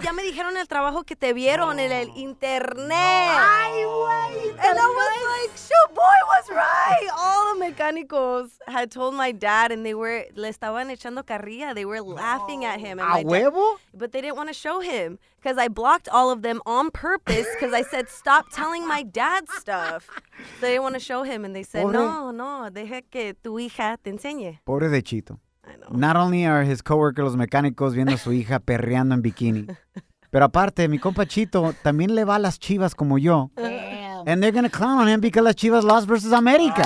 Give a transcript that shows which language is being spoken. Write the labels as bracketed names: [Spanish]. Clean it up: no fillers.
[Spanish] Ya me dijeron el trabajo que te vieron en el internet. [English] No. Ay, wait. And I was like, Shaboy was right. All the mechanicals had told my dad and they were, [Spanish] le estaban echando carrilla. [English] They were laughing at him. And [Spanish] a huevo? [English] But they didn't want to show him. Because I blocked all of them on purpose because I said, stop telling my dad stuff. They didn't want to show him. And they said, [Spanish] no, deje que tu hija te enseñe. Pobre de Chito. [English] I know. Not only are his coworkers, [Spanish] los mecánicos, viendo a su hija perreando en bikini. Pero aparte, mi compa Chito también le va a las chivas como yo. [English] Damn. And they're going to clown on him because [Spanish] las chivas [English] lost versus América.